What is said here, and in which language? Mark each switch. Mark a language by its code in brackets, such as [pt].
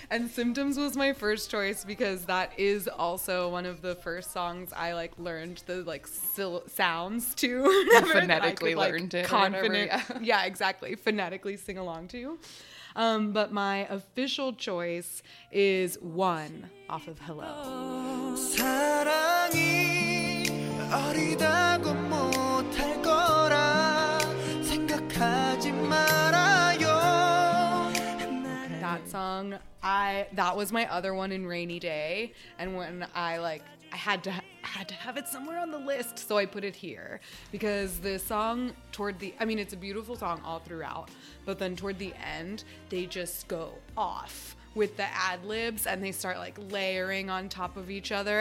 [en] And Symptoms was my first choice because that is also one of the first songs I like learned the like sounds to. Phonetically could, learned like, it. Confident. Yeah, exactly. Phonetically sing along to. But my official choice is One off of Hello. [ko] 사랑이 어리다고 못할 거라 생각하지 말아요. [en] That song, that was my other one in Rainy Day. And when I like, I had to have it somewhere on the list, so I put it here. Because the song toward the, I mean, it's a beautiful song all throughout, but then toward the end, they just go off with the ad-libs and they start like layering on top of each other.